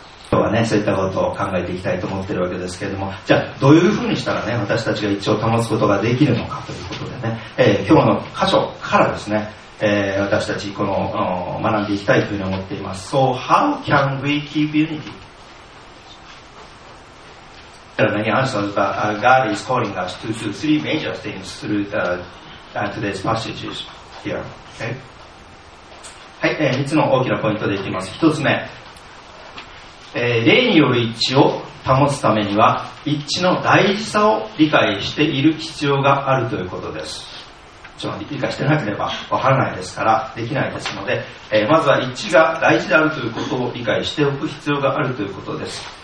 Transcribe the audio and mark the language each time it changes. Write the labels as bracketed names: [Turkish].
[Japanese] 今日はね、そういったことを考えていきたいと思っているわけですけれども、じゃあどういうふうにしたらね、私たちが一致を保つことができるのかということでね、今日の箇所からですね、私たちこの学んでいきたいというふうに思っています。 [English] So how can we keep unity? There are many answers, but God is calling us to do three major things through the, today's passages here. Okay? [Japanese] はい、3つの大きなポイントでいきます。1つ目、霊による一致を保つためには一致の大事さを理解している必要があるということです。理解してなければわからないですから、できないですので、まずは一致が大事であるということを理解しておく必要があるということです。